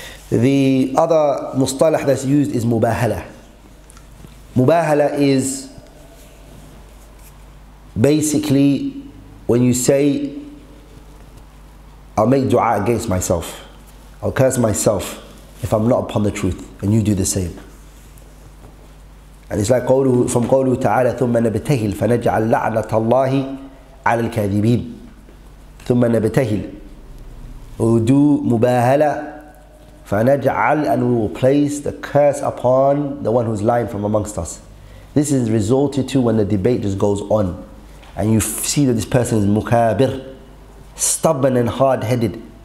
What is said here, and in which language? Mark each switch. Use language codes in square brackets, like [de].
[en] The other mustalah that's used is mubahala. Mubahala is basically when you say, I'll make dua against myself. I'll curse myself if I'm not upon the truth, and you do the same. And it's like [ar] قوله, [en] from [ar] قوله تعالى ثم نبتهل فنجعل لعنة الله على الكاذبين ثم نبتهل. [en] We'll do [ar] مباهلة فنجعل, [en] and we will place the curse upon the one who's lying from amongst us. This is resorted to when the debate just goes on and you see that this person is مكابر, stubborn and hard-headed.